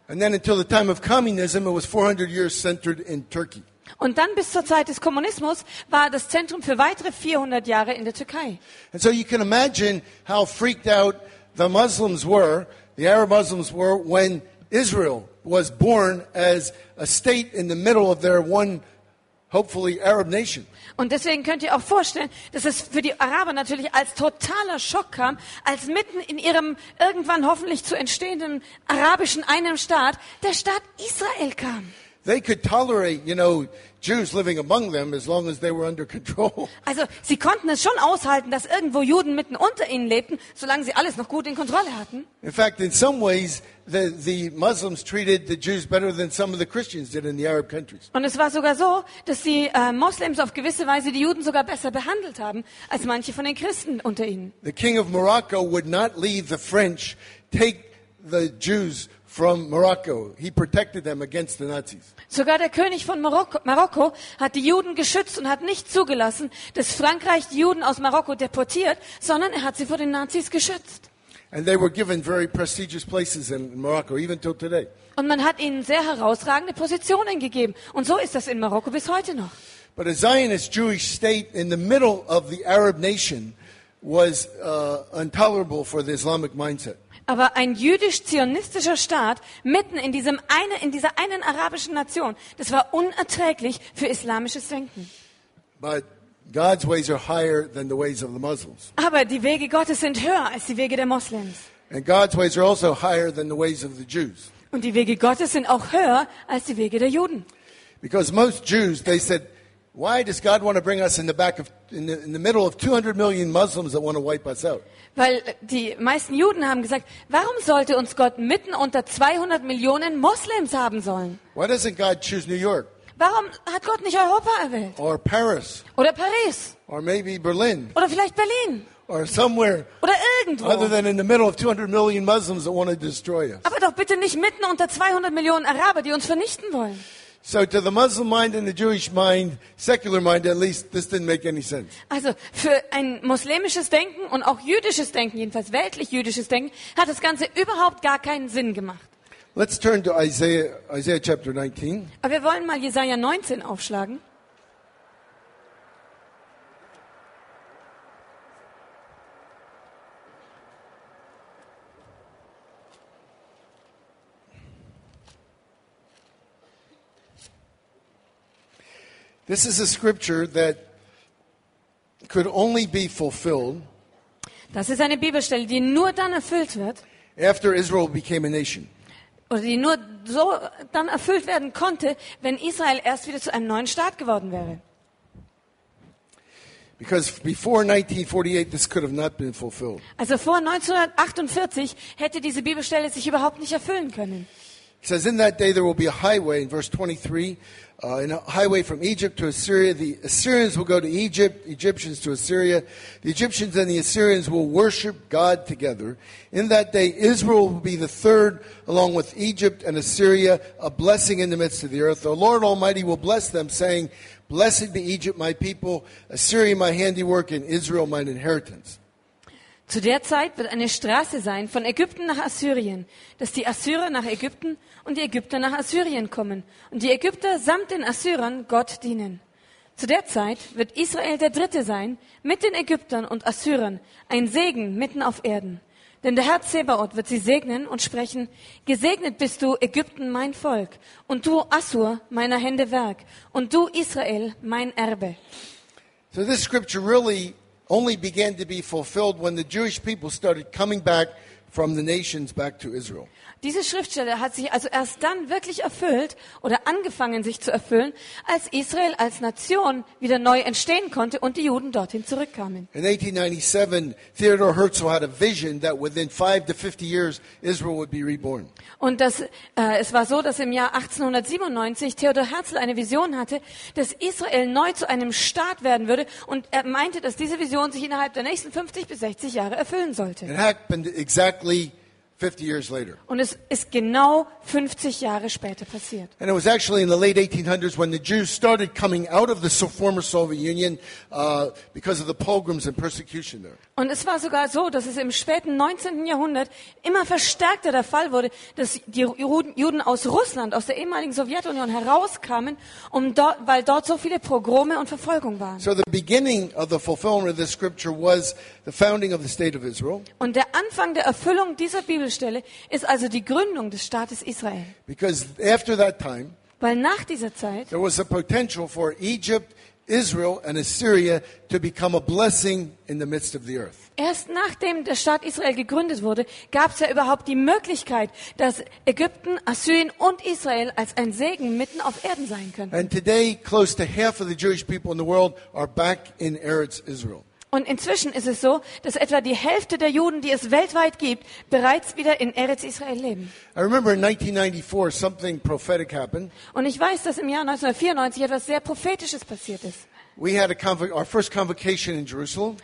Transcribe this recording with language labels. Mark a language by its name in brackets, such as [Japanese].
[English] And then until the time of communism, it was 400 years centered in Turkey. [German] Und dann bis zur Zeit des Kommunismus war das Zentrum für weitere 400 Jahre in der Türkei. [English] And so you can imagine how freaked out the Muslims were, the Arab Muslims were, when Israel was born as a state in the middle of their one, hopefully, Arab nation. [German] Und deswegen könnt ihr auch vorstellen, dass es für die Araber natürlich als totaler Schock kam, als mitten in ihrem irgendwann hoffentlich zu entstehenden arabischen einen Staat der Staat Israel kam. [English] They could tolerate, you know, Jews living among them as long as they were under control. [German] Also, sie konnten es schon aushalten, dass irgendwo Juden mitten unter ihnen lebten, solange sie alles noch gut in Kontrolle hatten. [English] In fact, in some ways the Muslims treated the Jews better than some of the Christians did in the Arab countries. [German] Und es war sogar so, dass die Muslims auf gewisse Weise die Juden sogar besser behandelt haben als manche von den Christen unter ihnen. [English] The king of Morocco would not leave the French take the Jews from Morocco. He protected them against the Nazis. [German] Sogar der König von Marokko hat die Juden geschützt und hat nicht zugelassen, dass Frankreich die Juden aus Marokko deportiert, sondern er hat sie vor den Nazis geschützt. [English] And they were given very prestigious places in Morocco, even till today. [German] Und man hat ihnen sehr herausragende Positionen gegeben. Und so ist das in Marokko bis heute noch. [English] But a Zionist Jewish state in the middle of the Arab nation was intolerable for the Islamic mindset. [German] Aber ein jüdisch-zionistischer Staat mitten in diesem eine, in dieser einen arabischen Nation, das war unerträglich für islamisches Denken. [English] But God's ways are higher than the ways of the Muslims. [German] Aber die Wege Gottes sind höher als die Wege der Moslems. [English] And God's ways are also higher than the ways of the Jews. [German] Und die Wege Gottes sind auch höher als die Wege der Juden. [English] Because most Jews, they said, why does God want to bring us in the back of in the middle of 200 million Muslims that want to wipe us out? [German] Weil die meisten Juden haben gesagt, warum sollte uns Gott mitten unter 200 Millionen Moslems haben sollen? [English] Why doesn't God choose New York? [German] Warum hat Gott nicht Europa erwählt? [English] Or Paris. [German] Oder Paris. [English] Or maybe Berlin. [German] Oder vielleicht Berlin. [English] Or somewhere. [German] Oder irgendwo. [English] Other than in the middle of 200 million Muslims that want to destroy us. [German] Aber doch bitte nicht mitten unter 200 Millionen Araber, die uns vernichten wollen. [English] So to the Muslim mind and the Jewish mind, secular mind at least, this didn't make any sense. [German] Also für ein muslimisches Denken und auch jüdisches Denken, jedenfalls weltlich jüdisches Denken, hat das Ganze überhaupt gar keinen Sinn gemacht. [English] Let's turn to Isaiah chapter 19. [German] Aber wir wollen mal Jesaja 19 aufschlagen. [English] This is a scripture that could only be fulfilled. [German] Das ist eine Bibelstelle, die nur dann erfüllt wird. [English] After Israel became a nation. [German] Oder die nur so dann erfüllt werden konnte, wenn Israel erst wieder zu einem neuen Staat geworden wäre. [English] Because before 1948 this could have not been fulfilled. [German] Also vor 1948 hätte diese Bibelstelle sich überhaupt nicht erfüllen können. [English] It says in that day there will be a highway in verse 23. In a highway from Egypt to Assyria, the Assyrians will go to Egypt, Egyptians to Assyria. The Egyptians and the Assyrians will worship God together. In that day, Israel will be the third, along with Egypt and Assyria, a blessing in the midst of the earth. The Lord Almighty will bless them, saying, blessed be Egypt, my people, Assyria, my handiwork, and Israel, mine inheritance. [German] Zu der Zeit wird eine Straße sein von Ägypten nach Assyrien, dass die Assyrer nach Ägypten und die Ägypter nach Assyrien kommen und die Ägypter samt den Assyrern Gott dienen. Zu der Zeit wird Israel der Dritte sein mit den Ägyptern und Assyrern, ein Segen mitten auf Erden. Denn der Herr Zebaoth wird sie segnen und sprechen, gesegnet bist du, Ägypten, mein Volk, und du, Assur, meiner Hände Werk, und du, Israel, mein Erbe. [English] So this scripture really only began to be fulfilled when the Jewish people started coming back from the nations back to Israel. [German] Diese Schriftstelle hat sich also erst dann wirklich erfüllt oder angefangen sich zu erfüllen, als Israel als Nation wieder neu entstehen konnte und die Juden dorthin zurückkamen. [English] In 1897, Theodor Herzl had a vision that within 5 to 50 years Israel would be reborn. [German] Und das, es war so, dass im Jahr 1897 Theodor Herzl eine Vision hatte, dass Israel neu zu einem Staat werden würde, und er meinte, dass diese Vision sich innerhalb der nächsten 50 bis 60 Jahre erfüllen sollte. [English] It happened exactly 50 years later. [German] Und es ist genau 50 Jahre später passiert. [English] And it was actually in the late 1800s when the Jews started coming out of the former Soviet Union because of the pogroms and persecution there. [German] Und es war sogar so, dass es im späten 19. Jahrhundert immer verstärkter der Fall wurde, dass die Juden aus Russland, aus der ehemaligen Sowjetunion herauskamen, weil dort so viele Pogrome und Verfolgung waren. [English] So the beginning of the fulfillment of this scripture was the founding of the state of Israel. [German] Und der Anfang der Erfüllung dieser Bibelstelle ist also die Gründung des Staates Israel. [English] Because after that time, [German] weil nach dieser Zeit, [English] there was a potential for Egypt, Israel and Assyria to become a blessing in the midst of the earth. [German] Erst nachdem der Staat Israel gegründet wurde, gab es ja überhaupt die Möglichkeit, dass Ägypten, Assyrien und Israel als ein Segen mitten auf Erden sein könnten. [English] And today, close to half of the Jewish people in the world are back in Eretz Israel. [German] Und inzwischen ist es so, dass etwa die Hälfte der Juden, die es weltweit gibt, bereits wieder in Eretz Israel leben. [English] I remember in 1994 something prophetic happened. [German] Und ich weiß, dass im Jahr 1994 etwas sehr Prophetisches passiert ist. [English] We had our first convocation in Jerusalem.